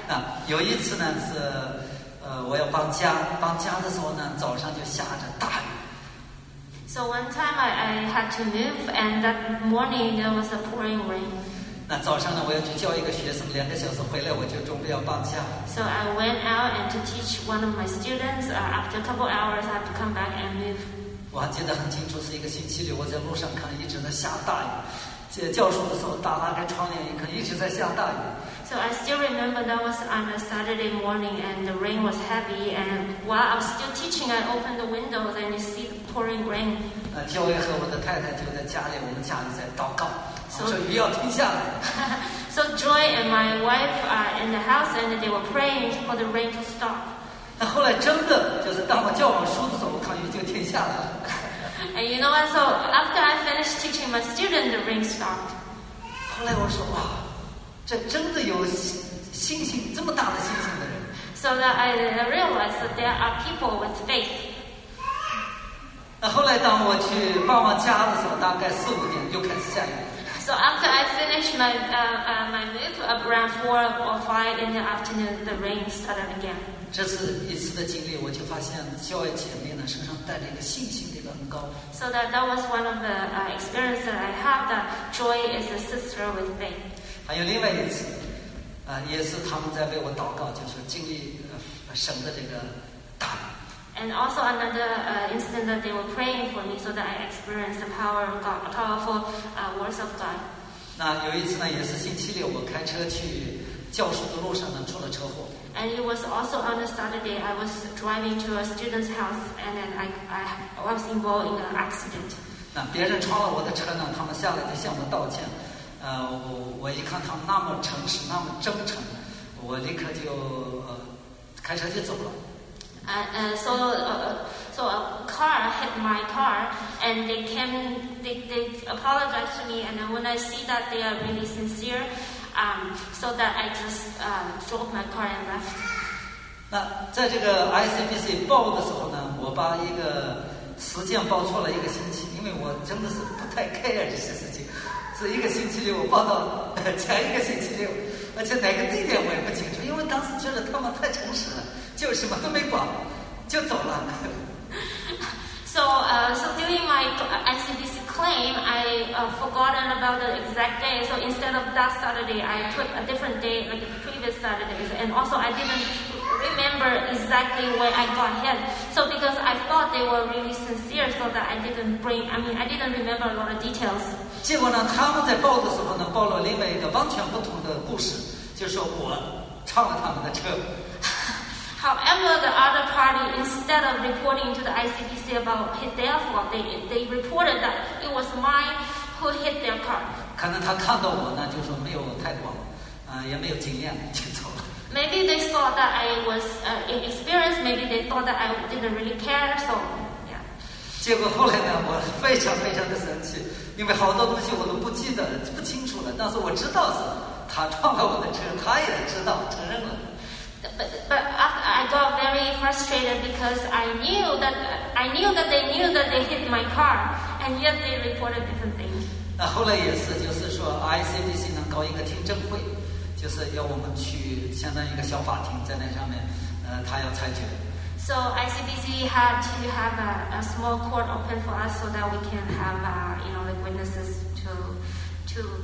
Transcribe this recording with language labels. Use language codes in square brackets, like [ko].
[zh] 那有一次呢是，我要搬家，搬家的时候呢，早上就下着大雨。 [en] So one time I had to move, and that morning there was a pouring rain. [zh] 那早上呢，我要去教一个学生，两个小时回来我就准备要搬家。 [en] So I went out and to teach one of my students. After a couple hours, I had to come back and move. [zh] 我还记得很清楚，是一个星期六，我在路上看，一直在下大雨。在教书的时候，打拉开窗帘一看，一直在下大雨。 [en] So I still remember that was on a Saturday morning, and the rain was heavy. And while I was still teaching, I opened the window, and you see the pouring rain. [zh] 那教会和我的太太就在家里，我们家里在祷告，说雨要停下来。 [en] So Joy and my wife are in the house, and they were praying for the rain to stop. [zh] 那后来真的就是当我教完书的时候，我看雨就停下来了。 [en] And you know what? So after I finished teaching my student, the rain stopped. [zh] 后来我说哇，这真的有信心这么大的信心的人。 [en] So that I realized that there are people with faith. [zh] 那后来当我去搬完家的时候，大概四五点又开始下雨。 [en] So after I finished my my move around 4 or 5 in the afternoon, the rain started again. [zh] 这次一次的经历，我就发现教会姐妹呢身上带着一个信心的一个恩膏。 [en] So that was one of the experiences that I have. That Joy is a sister with faith. [zh] 还有另外一次，也是他们在为我祷告，就是经历神的这个大能。 [en] And also another incident that they were praying for me so that I experienced the power of God, powerful words of God. [zh] 那有一次呢，也是星期六，我开车去教书的路上呢，出了车祸。 [en] And it was also on a Saturday. I was driving to a student's house, and then I was involved in an accident. [zh] 那别人闯了我的车呢，他们下来就向我道歉。我一看他们那么诚实，那么真诚，我立刻就开车就走了。 [en] So a car hit my car, and they came. They apologized to me, and then when I see that they are really sincere, so that I just drove my car and left. [zh] 那在这个 ICBC 报的时候呢，我把一个时间报错了一个星期，因为我真的是不太 care 这些事情。是一个星期六，我报到前一个星期六，而且哪个地点我也不清楚，因为当时觉得他们太诚实了。就什么都没管，就走了。 [en] So during my ICBC claim, I forgotten about the exact day. So instead of that Saturday, I put a different day, like the previous Saturdays. And also, I didn't remember exactly where I got hit. So because I thought they were really sincere, so that I didn't remember a lot of details. [zh] 结果呢，他们在报的时候呢，报了另外一个完全不同的故事，就说我撞了他们的车。 [en] However, the other party, instead of reporting to the ICBC about hit their fault, they reported that it was mine who hit their car. [zh] 可能他看到我呢，就说没有太多，也没有经验，就走了。 [en] Maybe they thought that I was inexperienced. Maybe they thought that I didn't really care. So, yeah. [zh] 结果后来呢，我非常非常的生气，因为好多东西我都不记得了，不清楚了。但是我知道是他撞了我的车，他也知道，承认了。 [en] But I got very frustrated because I knew that they knew that they hit my car, and yet they reported different things. [zh] 那后来也是，就是说 ICBC 能搞一个听证会，就是要我们去相当于一个小法庭在那上面，他要裁决。 [en] So ICBC had to have a small court open for us so that we can have like witnesses to.